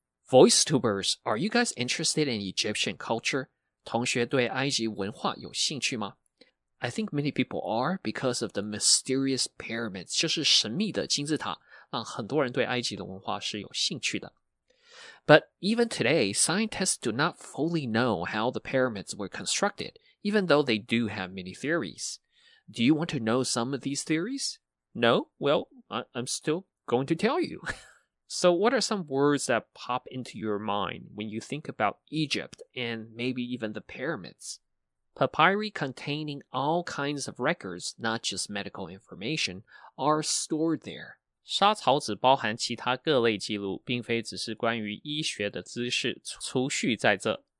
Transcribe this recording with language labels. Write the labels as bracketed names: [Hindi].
[English] VoiceTubers, are you guys interested in Egyptian culture? [Chinese] 同学对埃及文化有兴趣吗? [English] I think many people are because of the mysterious pyramids, [Chinese] 就是神秘的金字塔,让很多人对埃及的文化是有兴趣的。 [English] But even today, scientists do not fully know how the pyramids were constructed, even though they do have many theories. Do you want to know some of these theories? No? Well, I'm still going to tell you. So what are some words that pop into your mind when you think about Egypt and maybe even the pyramids? Papyri containing all kinds of records, not just medical information, are stored there. [Chinese] 莎草纸包含其他各类记录,并非只是关于医学的知识储蓄在这。